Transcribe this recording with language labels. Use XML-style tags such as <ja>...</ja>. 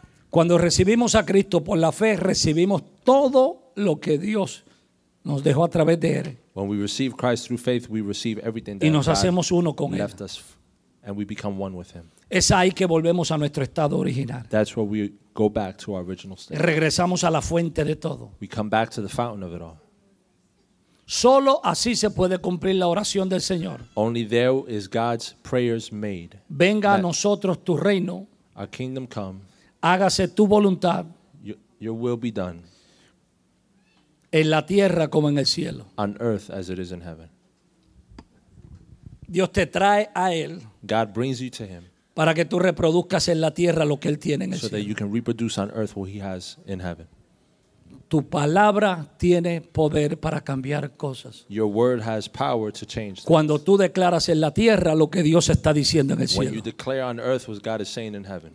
<es>Cuando recibimos a Cristo por la fe, recibimos todo lo que Dios nos dejó a través de Él.</es> <en>When we receive Christ through faith, we receive everything that</en> <es>y nos hacemos uno con Él.</es> <en>Left us and we become one with Him.</en> <es>Es ahí que volvemos a nuestro estado original.</es> <en>That's where we go back to our original state.</en> <es>Regresamos a la fuente de todo.</es> <en>We come back to the fountain of it all.</en> <es>Solo así se puede cumplir la oración del Señor.</es> <en>Only there is God's prayers made.</en> <es>Venga a nosotros tu reino.</es> <en>Our kingdom come.</en> <es>Hágase tu voluntad.</es> <en>Your will be done.</en> <es>En la tierra como en el cielo.</es> <en>On earth as it is in heaven.</en> <es>Dios te trae a Él.</es> <en>God brings you to Him.</en> <es>Para que tú reproduzcas en la tierra lo que Él tiene en el cielo.</es> <en>So that you can reproduce on earth what He has in heaven.</en> <es>Tu palabra tiene poder para cambiar cosas.</es> <en>Your word has power to change things.</en> <es>Cuando tú declaras en la tierra lo que Dios está diciendo en el cielo.</es> <en>When you declare on earth what God is saying in heaven.</en>